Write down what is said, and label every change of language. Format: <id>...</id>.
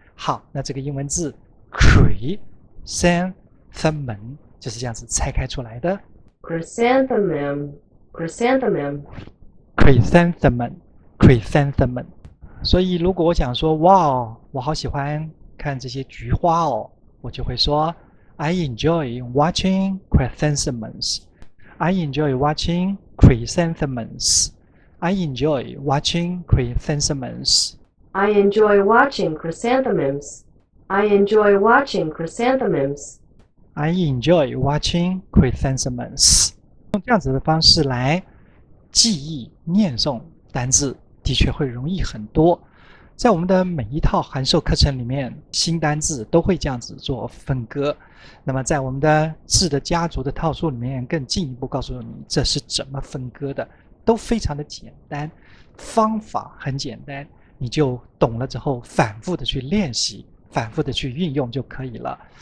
<zh>好，那这个英文字 chrysanthemum 就是这样子拆开出来的。</zh> <en>Chrysanthemum.</en> <zh>所以如果我想说哇哦，我好喜欢看这些菊花哦，我就会说</zh> <en>I enjoy watching chrysanthemums. I enjoy watching chrysanthemums. I enjoy watching chrysanthemums. I enjoy watching chrysanthemums. I enjoy watching chrysanthemums. I enjoy watching chrysanthemums.</en> <zh>用这样子的方式来记忆念诵单字，的确会容易很多。在我们的每一套函授课程里面，新单字都会这样子做分割。那么在我们的字的家族的套数里面，更进一步告诉你这是怎么分割的，都非常的简单，方法很简单，你就懂了之后反复的去练习，反复的去运用就可以了。</zh>